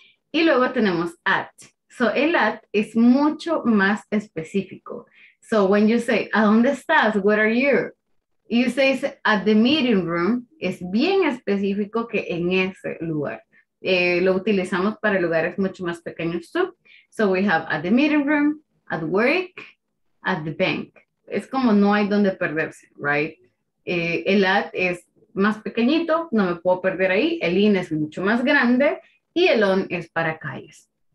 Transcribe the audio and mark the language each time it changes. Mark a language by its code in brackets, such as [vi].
[es] Y luego tenemos at. So, el at es mucho más específico. [en] So, when you say, [es] ¿a dónde estás? [en] Where are you? You say, at the meeting room, [es] es bien específico que en ese lugar. Lo utilizamos para lugares mucho más pequeños too. [en] So we have at the meeting room, at work, at the bank. [es] Es como no hay donde perderse, right? El at es más pequeñito, no me puedo perder ahí. El in es mucho más grande y el on es para calles.